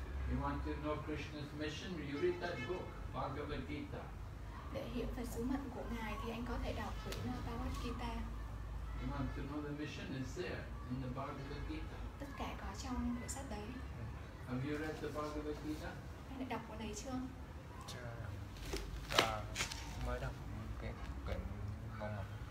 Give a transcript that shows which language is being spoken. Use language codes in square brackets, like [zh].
[en] You want to know Krishna's mission, you read that book, Bhagavad Gita. [vi] Để hiểu về sứ mệnh của Ngài thì anh có thể đọc quyển Bhagavad Gita. [en] You want to know the mission is there in the Bhagavad Gita. [vi] Tất cả có trong quyển sách đấy. [en] Have you read the Bhagavad Gita? [vi] Anh lại đọc cái đấy chưa? Chưa, mới đọc cái quyển ngôn ngữ.